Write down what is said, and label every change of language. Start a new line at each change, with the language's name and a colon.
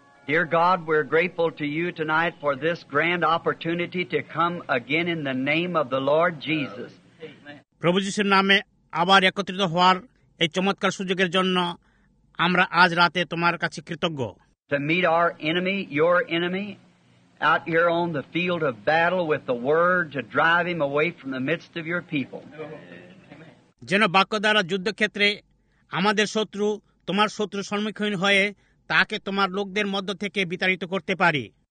English: Dear God, we're grateful to you tonight for this grand opportunity to come again in the name of the Lord Jesus.
Bangla: প্রভু যীশুর নামে আবার একত্রিত হওয়ার এই চমৎকার সুযোগের জন্য আমরা আজ রাতে তোমার কাছে কৃতজ্ঞ।
English: To meet our enemy, your enemy, out here on the field of battle with the word to drive him away from the midst of your people.
Bangla: যেন বাক্য দ্বারা যুদ্ধক্ষেত্রে আমাদের শত্রু তোমার শত্রু সম্মুখীন হয়ে তাকে তোমার লোকদের মধ্য থেকে বিতাড়িত করতে পারি।